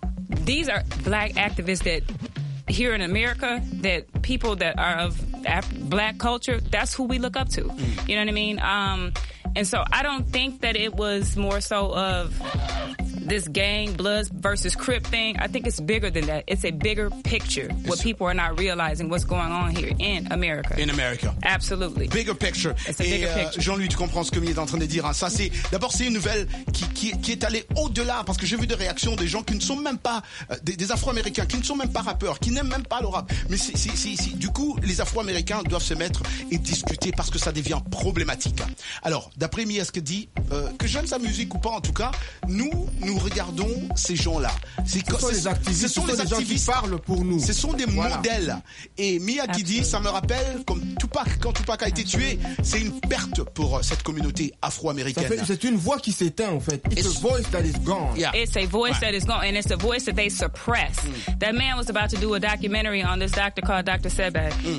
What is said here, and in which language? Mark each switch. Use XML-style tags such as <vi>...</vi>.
<en>These are black activists that here in America, that people that are of black culture, that's who we look up to. You know what I mean? And so I don't think that it was more so of this gang blood versus Crip thing. I think it's bigger than that. It's a bigger picture. What people are not realizing what's going on here in America. In America. Absolutely. Bigger picture. It's a bigger picture.</en> <fr>Jean-Louis, tu comprends ce que Mia est en train de dire. Hein. Ça, c'est d'abord, c'est une nouvelle qui est allée au-delà parce que j'ai vu des réactions des gens qui ne sont même pas des Afro-Américains, qui ne sont même pas rappeurs, qui n'aiment même pas le rap. Mais c'est du coup, les Afro-Américains doivent se mettre et discuter parce que ça devient problématique. Alors, d'après Mia, ce que dit, que j'aime sa musique ou pas, en tout cas, nous regardons ces gens-là. Ce sont les activistes qui parlent pour nous. Ce sont des modèles. Et Mia qui dit, ça me rappelle, comme Tupac, quand Tupac a été tué, c'est une perte pour cette communauté afro-américaine. C'est une voix qui s'éteint, en fait.</fr> <en>It's a voice that is gone. Yeah. It's a voice that is gone, and it's a voice that they suppress. Mm. That man was about to do a documentary on this doctor called Dr. Sebi.</en>